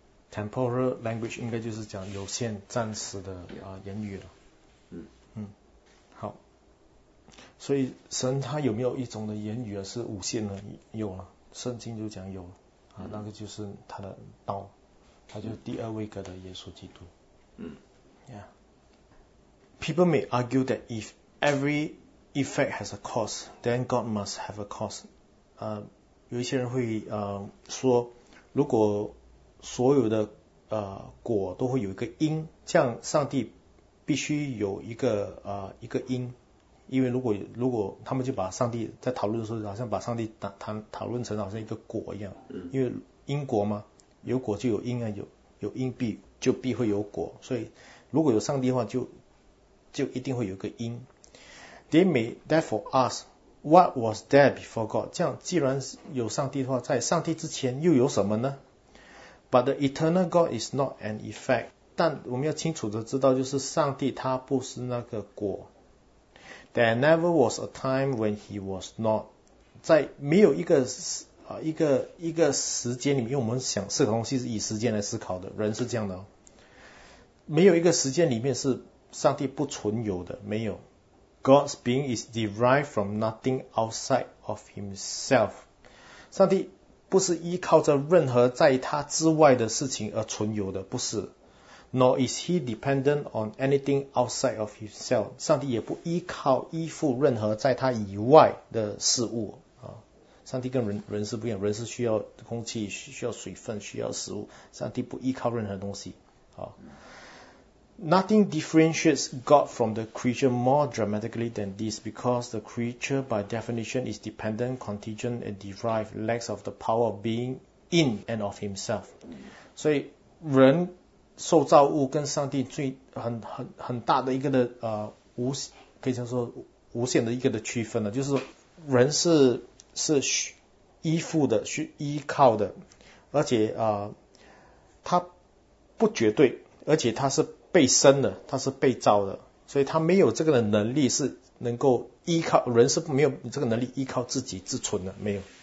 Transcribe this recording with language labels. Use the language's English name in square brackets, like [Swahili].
[Chinese] temporal language 应该就是讲有限暂时的言语了。好，所以神他有没有一种的言语是无限的？有啊，圣经就讲有那个就是他的道，他就是第二位格的耶稣基督。 [English] People may argue that if every effect has a cause, then God must have a cause. [Chinese] 有一些人会说，如果所有的果都会有一个因，这样上帝必须有一个因。因为如果他们就把上帝在讨论的时候，好像把上帝讨论成好像一个果一样，因为因果嘛，有果就有因啊，有因必会有果，所以如果有上帝的话，就一定会有一个因。 [English] They may therefore ask, what was there before God? [Chinese] 这样既然有上帝的话，在上帝之前又有什么呢？ [English] But the eternal God is not an effect. [Chinese] 但我们要清楚的知道，就是上帝他不是那个果。 [English] There never was a time when he was not. [Chinese] 在没有一个时间里面，因为我们想思考东西是以时间来思考的，人是这样的。没有一个时间里面是上帝不存有的，没有。 [English] God's being is derived from nothing outside of himself. [Chinese] 上帝不是依靠着任何在他之外的事情而存有的，不是。 [English] Nor is he dependent on anything outside of himself. [Chinese] 上帝也不依附任何在他以外的事物。上帝跟人是不一样，人是需要空气，需要水分，需要食物。上帝不依靠任何东西。 [English] Nothing differentiates God from the creature more dramatically than this, because the creature by definition is dependent, contingent and derived, lacks of the power of being in and of himself. [Chinese] 所以人受造物跟上帝最很大的一个的可以像说无限的一个的区分了，就是说人是依附的，是依靠的，而且他不绝对，而且他是被生的，他是被造的，所以他没有这个的能力是能够依靠，人是没有这个能力依靠自己自存的，没有。